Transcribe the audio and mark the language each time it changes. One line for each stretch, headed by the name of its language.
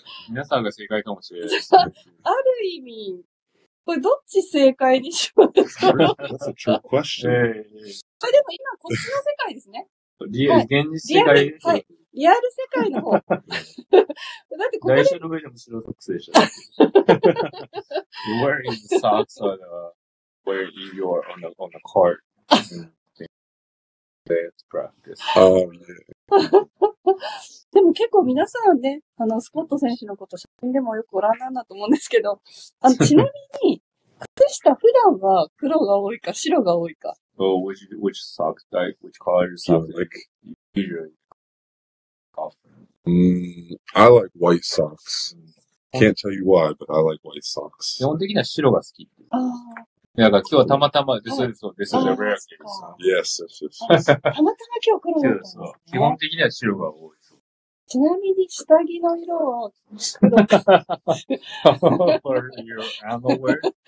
Japanese: 皆さんが正解かもしれない。ある意味、これどっち正解にしますか？
English: That's a true question.
Japanese: これでも今、こっちの世界ですね。リアル、現実世界ですよ。はい。リアル世界の方。だってここで。台車の上でも白ソックスでしょ。
English: You're wearing the socks on the, where you are on the cart. That's practice.
Japanese: でも結構皆さんね、スコット選手のこと写真でもよくご覧なんだと思うんですけど、ちなみに、靴下普段は黒が多いか白が多いか。
English: Oh, which socks type, which color your socks like? Usually, often. I like white socks. Can't tell you why, but I like white socks.
Japanese: 基本的には白が好き。ああ。いや、今日はたまたまです。そうそう。
English: This is a rare case. Yes, yes, yes.
Japanese: たまたま今日黒が多い。そう。基本的には白が多い。ちなみに下着の色は白。
English: Over your underwear?